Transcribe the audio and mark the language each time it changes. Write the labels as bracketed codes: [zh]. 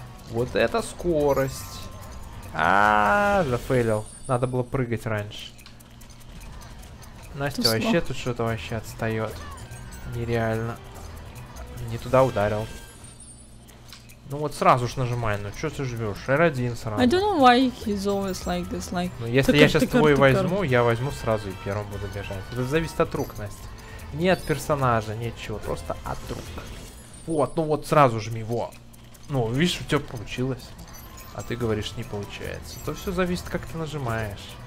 [ru] Вот это скорость. А-а-а, зафейлил. Надо было прыгать раньше. Настя, вообще тут что-то вообще отстает. Нереально. Не туда ударил. Ну вот сразу же нажимай, ну чё ты жвёшь? R1 сразу. [en] I don't know why he's always like this, like... [ru] Ну если я сейчас твой возьму, я возьму сразу и первым буду бежать. Это зависит от рук, Настя. Не от персонажа, ничего, просто от рук. Вот, ну вот сразу жми, во. Ну, видишь, у тебя получилось. А ты говоришь, не получается. То все зависит, как ты нажимаешь.